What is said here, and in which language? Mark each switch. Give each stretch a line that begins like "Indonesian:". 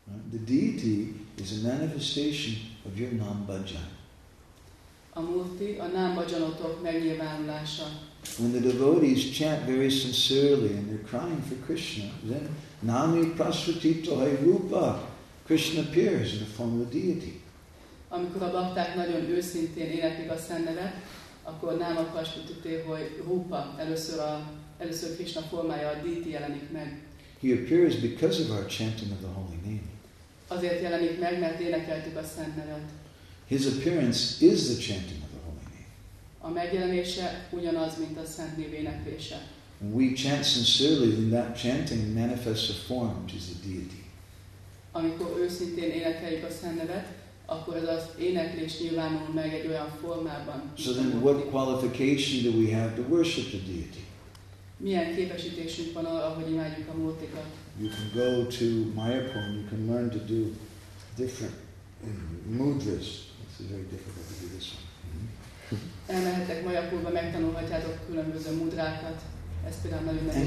English: The deity is a manifestation of your nam bhajan.
Hungarian: A murti a nam bhajanotok megnyilvánulása.
English: When the devotees chant very sincerely and they're crying for Krishna, then
Sanskrit: nami prasvatipto hai rupa,
English: Krishna appears in the form of the deity.
Hungarian: Amikor a bakták nagyon őszintén életik a szent nevet, akkor
Sanskrit: nama prasvatipto hai rupa,
Hungarian: először Krishna formája a deity jelenik meg.
English: He appears because of our chanting of the holy name.
Hungarian: Azért jelenik meg, mert énekeltük a szent nevet.
English: His appearance is the chanting of the holy name.
Hungarian: A megjelenése ugyanaz, mint a szent név éneklése.
English: When we chant sincerely, then that chanting manifests a form, which is the deity.
Hungarian: Amikor őszintén énekeljük a szent nevet, akkor ez az éneklés nyilvánul meg egy olyan formában.
English: So then what qualification do we have to worship the deity?
Hungarian: Milyen képesítésünk van arra, hogy imádjuk a múrtikat?
English: You can go to Mayapur and you can learn to do different mudras. This is very difficult to do this one.
Hungarian: Elmehetek Mayapurba, megtanulhatjátok különböző mudrákat. Ez például nagyon nehéz.